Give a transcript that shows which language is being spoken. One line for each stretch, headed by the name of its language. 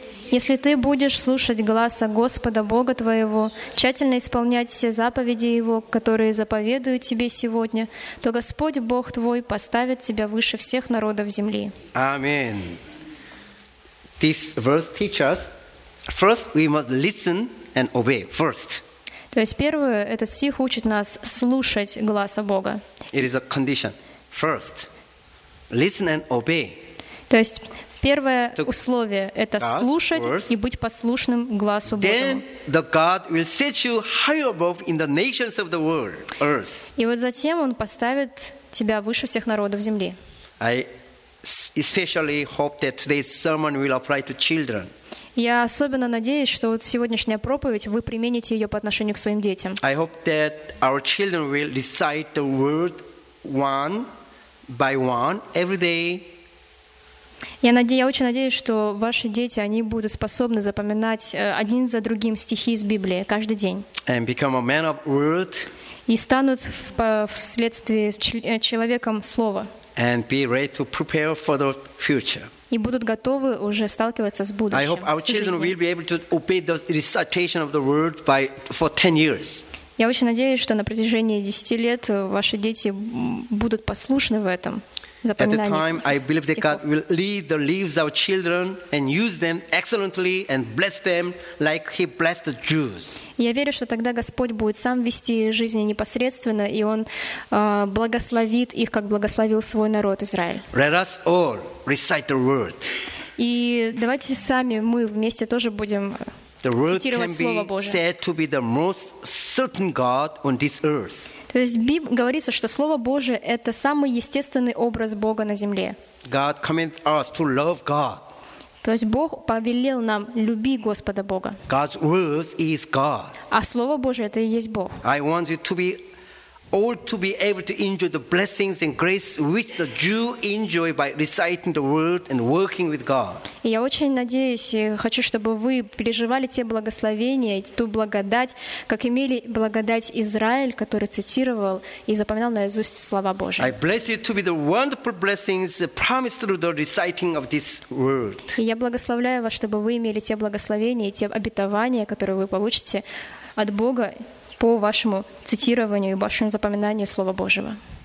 Russian: Если ты будешь слушать голоса Господа Бога твоего, тщательно исполнять все заповеди Его, которые заповедую тебе сегодня, то Господь Бог твой поставит тебя выше всех народов земли. Аминь.
English: This verse teaches us, first we must listen and obey first.
Russian: То есть первое, этот стих учит нас слушать голоса Бога.
English: It is a condition. First, listen and obey.
Russian: То есть первое условие это слушать verse, и быть послушным голосу Божьему.
English: Then the God will set you high above in the nations of the world, earth.
Russian: И вот затем он поставит тебя выше всех народов земли.
English: Especially hope that today's sermon will apply to children.
Russian: Я особенно надеюсь, что вот сегодняшняя проповедь вы примените ее по отношению к своим детям.
English: I hope that our children will recite the word one by one every day.
Russian: Я очень надеюсь, что ваши дети, они будут способны запоминать один за другим стихи из Библии каждый день.
English: And become a man of word.
Russian: И станут вследствие человеком слова.
English: and be ready to prepare for the future.
Russian: И будут готовы уже сталкиваться с будущим.
English: I hope our children will be able to obey the recitation of the word by for 10 years.
Russian: Я очень надеюсь, что на протяжении 10 лет ваши дети будут послушны в этом.
English: At the time, I believe that God will lead the leaves of children and use them excellently and bless them like He blessed the Jews.
Russian: Я верю, что тогда Господь будет сам вести жизни непосредственно, и Он благословит их, как благословил свой народ Израиль.
English: Let us all recite the word.
Russian: И давайте сами мы вместе тоже будем цитировать Слово Божие.
English: The word can be said to be the most certain God on this earth.
Russian: То есть говорится, что Слово Божие — это самый естественный образ Бога на земле.
English: God commanded us to love God.
Russian: То есть Бог повелел нам «люби Господа Бога».
English: God's word is God.
Russian: А Слово Божие — это и есть Бог.
English: I want you to be all to be able to enjoy the blessings and grace which the Jew enjoy by reciting the word and working with God.
Russian: Я очень надеюсь и хочу, чтобы вы переживали те благословения, ту благодать, как имели благодать Израиль, который цитировал и запоминал наизусть слова Божьи.
English: I bless you to be the wonderful blessings promised through the reciting of this word.
Russian: Я благословляю вас, чтобы вы имели те благословения и те обетования, которые вы получите от Бога по вашему цитированию и вашему запоминанию Слова Божьего.